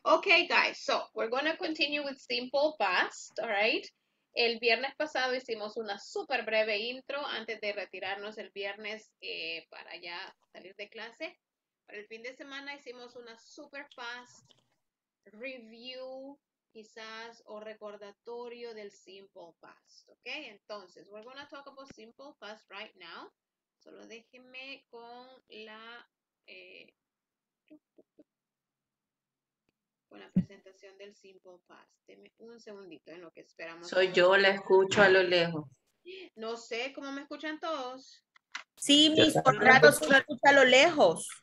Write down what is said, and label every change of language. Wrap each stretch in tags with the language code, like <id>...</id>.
<en>Okay, guys, so we're going to continue with simple past, all right?</en> <es>El viernes pasado hicimos una súper breve intro antes de retirarnos el viernes para ya salir de clase. Para el fin de semana hicimos una súper</es> <en>fast review,</en> <es>quizás, o recordatorio del simple past, ¿ok? Entonces,</es> <en>we're going to talk about simple past right now.</en> <es>Solo déjenme con la con la presentación del simple past. Deme un segundito en lo que esperamos. Soy yo, la escucho a lo lejos. No sé, ¿cómo me escuchan todos? Sí, mis contratos, me escucho a lo lejos.</es>